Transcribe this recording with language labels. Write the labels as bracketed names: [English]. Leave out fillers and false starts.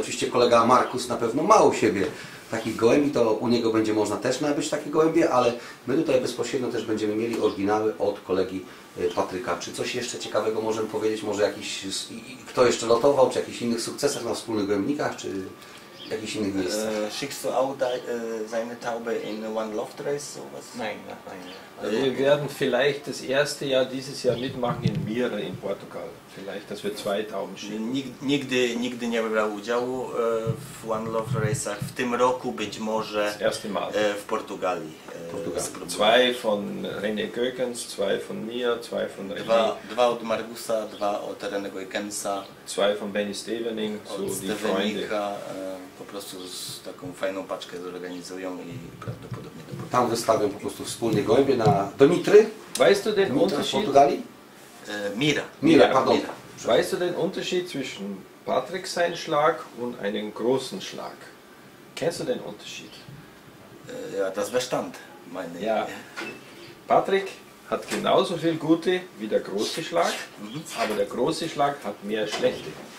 [Polish] Oczywiście kolega Markus na pewno ma u siebie takich gołębi, to u niego będzie można też nabyć takie gołębie, ale my tutaj bezpośrednio też będziemy mieli oryginały od kolegi Patryka. Czy coś jeszcze ciekawego możemy powiedzieć? Może jakiś, kto jeszcze lotował, czy jakichś innych sukcesach na wspólnych gołębnikach, czy jakichś innych miejscach? [German] Schickst du auch seine Taube in one loft race? Sowas? Nein. Wir werden vielleicht das erste Jahr dieses Jahr mitmachen in Mira in Portugal. Vielleicht, dass wir 2 Tauben schicken. [Polish] Nigdy nie brał udziału w one loft race'ach. W tym roku być może [German] das erste Mal. [Polish] W Portugalii. [German] Portugal. 2 von René Goekens, 2 von mir, 2 von René. [Polish] 2 od Margusa, 2 od René Goekensa. [German] 2 von Benny Stevening, [Polish] od Stevenika. Po prostu z taką fajną paczkę zorganizują i prawdopodobnie do Portugalii. Tam wystawią po prostu wspólnie gołębie na Dmitry. [German] Weißt du den Unterschied? [Polish] Portugalii? [German] Mira. Weißt du den Unterschied zwischen Patrick sein Schlag und einem großen Schlag? Kennst du den Unterschied? Ja, das Verstand, meine ich. Ja. Patrick hat genauso viel Gute wie der große Schlag, aber der große Schlag hat mehr Schlechte.